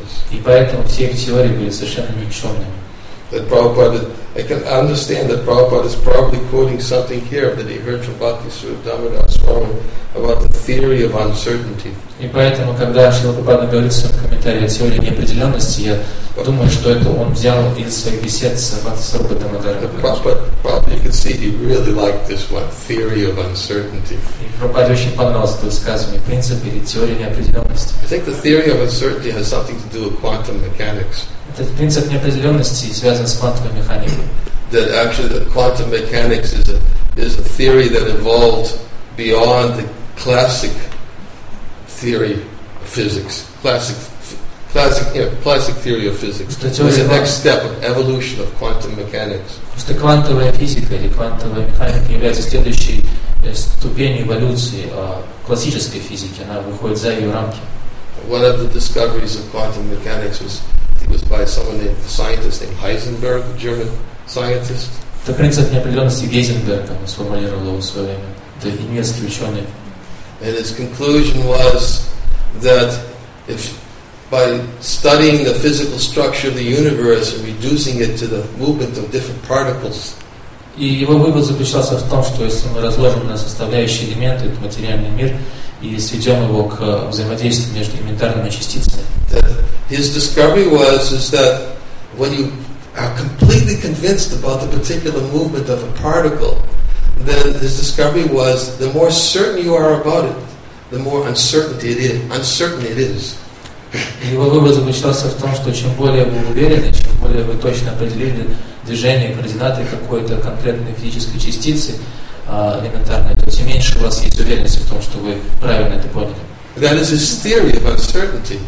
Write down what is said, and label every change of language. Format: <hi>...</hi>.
<ru>И поэтому все их теории были совершенно никчемными.</ru> <en>That Prabhupada, I can understand that Prabhupada is probably quoting something here that he heard from Bhaktisiddhanta Damodara Swami about the theory of uncertainty.</en> <ru>И поэтому, когда Шрила Прабхупада говорит в своем комментарии о теории неопределенности, я думаю, что это он взял из своих бесед с Бхактисиддхантой Дамодарой.</ru> <en>Prabhupada, you can see, he really liked this one, theory of uncertainty.</en> <ru>И Прабхупаде очень понравилось это высказывание, принцип или теория неопределенности.</ru> <en>I think the theory of uncertainty has something to do with quantum mechanics.</en> <ru>Этот принцип неопределенности связан с квантовой механикой.</ru> <en>That actually the quantum mechanics is a theory that evolved beyond the classic theory of physics. Classic theory of physics. It's the next step of evolution of quantum mechanics.</en> <ru>Что квантовая физика или квантовая механика является следующей ступенью эволюции классической физики. Она выходит за ее рамки.</ru> <en>One of the discoveries of quantum mechanics was by someone named a scientist named Heisenberg, a German scientist. The principle of</en> <ru>неопределенности Гейзенберга сформулировал его в свое время. Это немецкий ученый.</ru> <en>And his conclusion was that if by studying the physical structure of the universe and reducing it to the movement of different particles.</en> <ru>И его вывод заключался в том, что если мы разложим на составляющие элементы этот материальный мир и сведем его к взаимодействию между элементарными частицами.</ru> <en>His discovery was that when you are completely convinced about the particular movement of a particle, then his discovery was the more certain you are about it, the more uncertain it is.</en> <ru>Его вывод заключался в том, что чем более вы уверены, чем более вы точно определили движение координаты какой-то конкретной физической частицы элементарной, то тем меньше у вас есть уверенность в том, что вы правильно это поняли.</ru> <en>That is his theory of uncertainty.</en>